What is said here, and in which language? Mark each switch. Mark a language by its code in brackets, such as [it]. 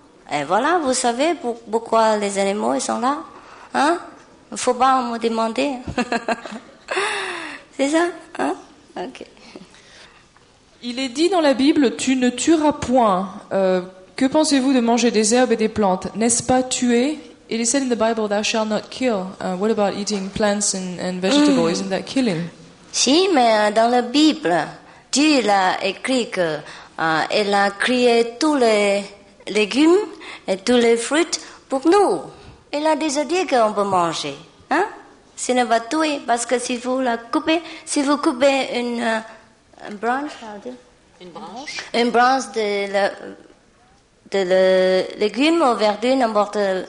[fr] Et voilà, vous savez pourquoi les animaux ils sont là. Hein? Faut pas me demander. C'est ça. Hein? Ok. Il est dit dans la Bible, tu ne tueras point. Que pensez-vous de manger des herbes et des plantes? N'est-ce pas tuer? [en] It is said in the Bible, thou shalt not kill. What about eating plants and vegetables? Mm. Isn't that killing? [fr] Si, mais dans la Bible, Dieu il a écrit que il a créé tous les légumes et tous les fruits pour nous. Il a déjà dit qu'on peut manger. Hein? Ce n'est pas tuer, parce que si vous la coupez, si vous coupez une branche de la... de le légume ou verdure, n'importe